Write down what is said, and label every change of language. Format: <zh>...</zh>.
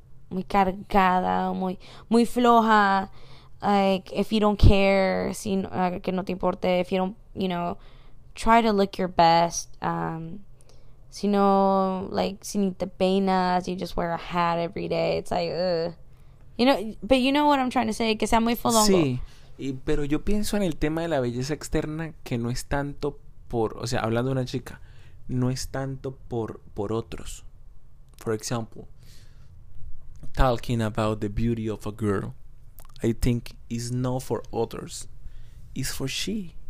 <es>Muy cargada, muy, muy floja.</es> <en>Like, if you don't care,</en> <es>si, que no te importe.</es> <en>If you don't, you know, try to look your best, si no, like,</en> <es>si ni te peinas,</es> <en>you just wear a hat every day. It's like, ugh. You know, but you know what I'm trying to say,</en> <es>que sea muy folongo. Sí, y, pero yo pienso en el tema de la belleza externa, que no es tanto por, o sea, hablando de una chica, no es tanto por otros.</es> <en>For example, talking about the beauty of a girl, I think is not for others, it's for she.</en>